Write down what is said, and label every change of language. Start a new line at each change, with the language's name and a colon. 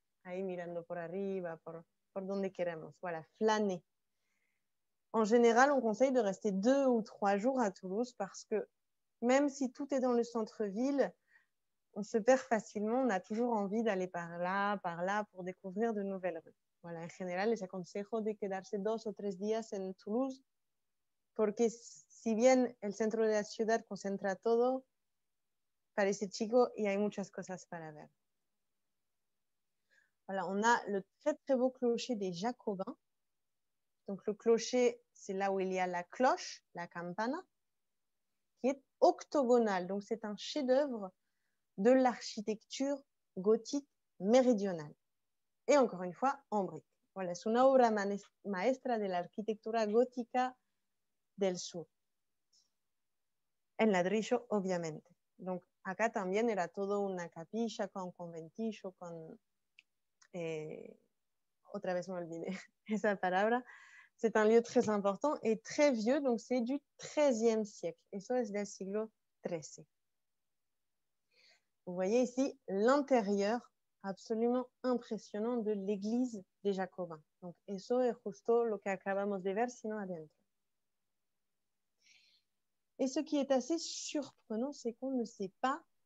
Spanish: ahí mirando por arriba, por donde queremos.
French: Voilà, flâner. En général, on conseille de rester 2 ou 3 jours à Toulouse parce que même si tout est dans le centre-ville, on se perd facilement, on a toujours envie d'aller par là, pour découvrir de nouvelles rues.
Spanish: Voilà, en général, les aconsejo de quedarse 2 o 3 días en Toulouse porque si bien el centro de la ciudad concentra todo, parece chico y hay muchas cosas para ver.
French: Voilà, on a le très très beau clocher des Jacobins. Donc le clocher, c'est là où il y a la cloche, la campana, qui est octogonale. Donc c'est un chef-d'œuvre de l'architecture gothique méridionale. Et encore une fois, en brique.
Spanish: Voilà, c'est una obra maestra de l'architectura gótica del sur. En ladrillo, obviamente. Donc, acá también era todo una capilla con conventillo, con... otra vez me olvidé esa palabra.
French: C'est un lieu très important et très vieux, donc c'est du XIIIe siècle.
Spanish: Eso es del siglo XIII.
French: Vous voyez ici l'intérieur absolument impressionnant de l'église des Jacobins.
Spanish: Donc, eso es justo lo que acabamos de ver, sino adentro.
French: Et ce qui est assez surprenant, c'est qu'on ne sait pas